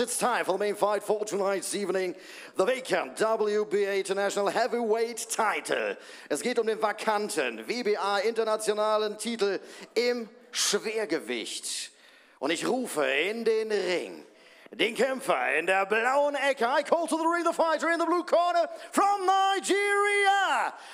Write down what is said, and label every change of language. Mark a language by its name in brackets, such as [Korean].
[English] It's time for the main fight for tonight's evening. The vacant WBA International Heavyweight Title. [German] Es geht um den vakanten WBA internationalen Titel im Schwergewicht. Und ich rufe in den Ring den Kämpfer in der blauen Ecke. [English] I call to the ring the fighter in the blue corner from Nigeria.